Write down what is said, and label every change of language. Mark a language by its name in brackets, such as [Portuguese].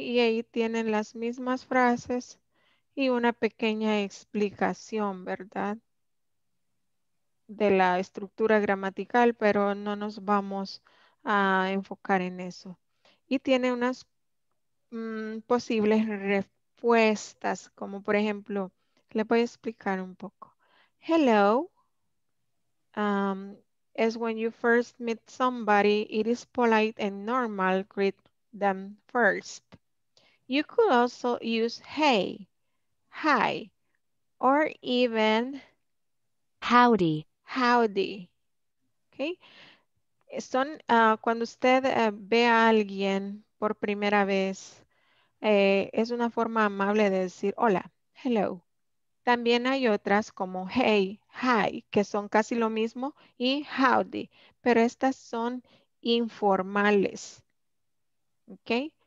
[Spanish] Y ahí tienen las mismas frases y una pequeña explicación, ¿verdad? De la estructura gramatical, pero no nos vamos a enfocar en eso. Y tiene unas posibles respuestas, como por ejemplo, le voy a explicar un poco. [English] Hello, is when you first meet somebody, it is polite and normal to greet them first. You could also use hey, hi, or even howdy. Howdy, okay. [Spanish] Son cuando usted ve a alguien por primera vez, es una forma amable de decir hola, hello. También hay otras como hey, hi, que son casi lo mismo, y howdy, pero estas son informales, okay.